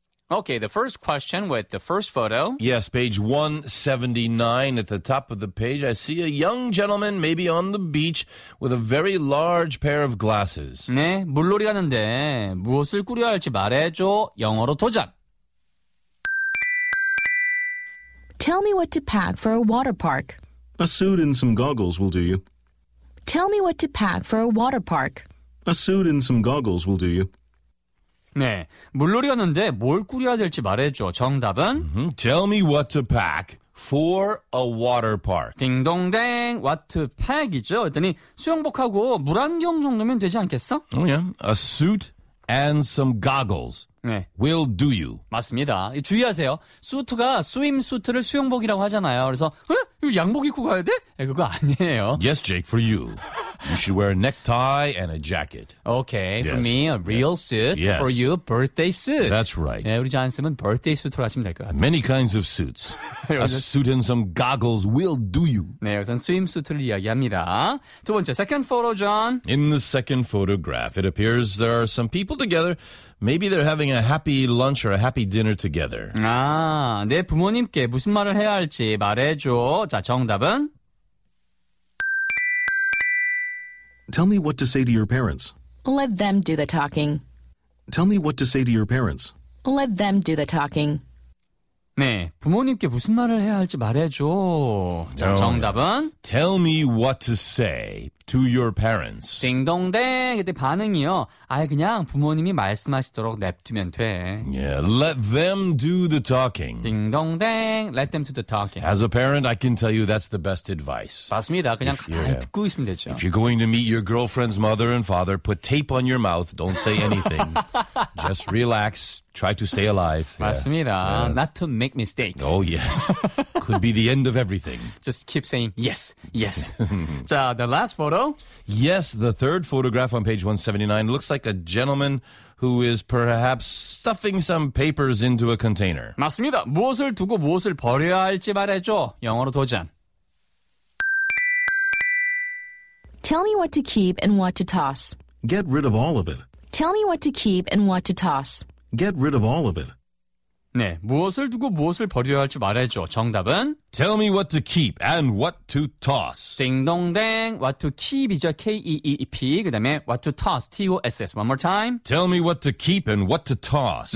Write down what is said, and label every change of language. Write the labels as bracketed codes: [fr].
[en] 오케이, the first question with the first photo. Yes, page 179 at the top of the page. I see a young gentleman maybe on the beach with a very large pair of glasses. [ko] 네, 물놀이 가는데 무엇을 꾸려야 할지 말해줘. 영어로 도전. [en] Tell me what to pack for a water park. A suit and some goggles will do you. Tell me what to pack for a water park. A suit and some goggles will do you. [ko] 네, 물놀이 갔는데 뭘 꾸려야 될지 말해줘. 정답은 [en] Tell me what to pack for a water park. [ko] 딩동댕, [en] what to pack [ko] 이죠. 그랬더니 수영복하고 물안경 정도면 되지 않겠어? [en] Oh yeah, a suit and some goggles. [ko] 네. [en] Will do you. [ko] 맞습니다. 주의하세요. 수트가 스윔 수트를 수영복이라고 하잖아요. 그래서 에? 이거 양복 입고 가야 돼? 에, 그거 아니에요. [en] Yes, Jake, for you. You should wear a necktie and a jacket. Okay, yes. For me, a real yes. suit. Yes. For you, birthday suit. That's right. [ko] 네, 우리 존 쌤은 [en] birthday suit [ko] 으로 하시면 될 것 같아요. [en] Many kinds of suits. A suit and some goggles will do you. [ko] 네, 우선 스윔수트를 이야기합니다. 두 번째, [en] second photo, John. In the second photograph, it appears there are some people together. Maybe they're having a happy lunch or a happy dinner together. [ko] 아, 내 부모님께 무슨 말을 해야 할지 말해줘. 자, 정답은? [en] Tell me what to say to your parents. Let them do the talking. Tell me what to say to your parents. Let them do the talking. [ko] 네, 부모님께 무슨 말을 해야 할지 말해줘. 자, 정답은? [en] Tell me what to say to your parents. [ko] 딩동댕. 그때 반응이요. 아예 그냥 부모님이 말씀하시도록 냅두면 돼. [en] Yeah, let them do the talking. 딩동댕. Let them do the talking. As a parent, I can tell you that's the best advice. [ko] 맞습니다. 그냥 듣고 있으면 되죠. [en] If you're going to meet your girlfriend's mother and father, put tape on your mouth. Don't say anything. Just relax. Try to stay alive. [ko] 맞습니다. [en] Yeah. Not to make mistakes. Oh, yes. Could be the end of everything. Just keep saying yes, yes. 자, the last photo. Yes, the third photograph on page 179 looks like a gentleman who is perhaps stuffing some papers into a container. [ko] 맞습니다. 무엇을 두고 무엇을 버려야 할지 말해줘. 영어로 도전. [en] Tell me what to keep and what to toss. Get rid of all of it. Tell me what to keep and what to toss. Get rid of all of it. [ko] 네, 무엇을 두고 무엇을 버려야 할지 말해줘. 정답은? [en] Tell me what to keep and what to toss. [ko] 딩동댕. [en] What to keep이죠. K-E-E-P. [ko] 그 다음에 [en] what to toss. T-O-S-S. One more time. Tell me what to keep and what to toss.